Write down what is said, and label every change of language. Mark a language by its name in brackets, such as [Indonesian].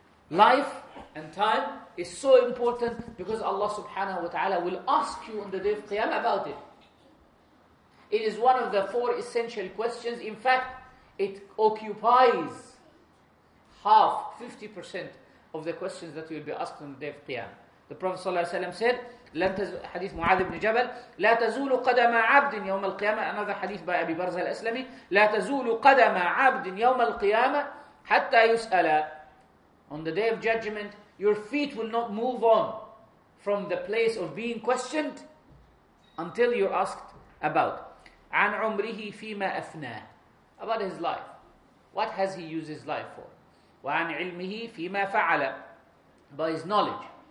[English] Life and time is so important because Allah subhanahu wa ta'ala will ask you on the day of Qiyamah about it. It is one of the four essential questions. In fact, it occupies half, 50% of the questions that you will be asked on the day of Qiyamah. The Prophet sallallahu alayhi wa sallam said, [Arabic] حديث معاذ بن جبل لا تزول قدم عبد يوم القيامة. [English] Another hadith by Abi Barzah al-Aslami, [Arabic] لا تزول قدم عبد يوم القيامة حتى يسأل. [English] On the day of judgment, your feet will not move on from the place of being questioned until you're asked about. [Arabic] عن عمره فيما أفناه. [English] About his life. What has he used his life for? [Arabic] وعن علمه فيما فعل. [English] By his knowledge.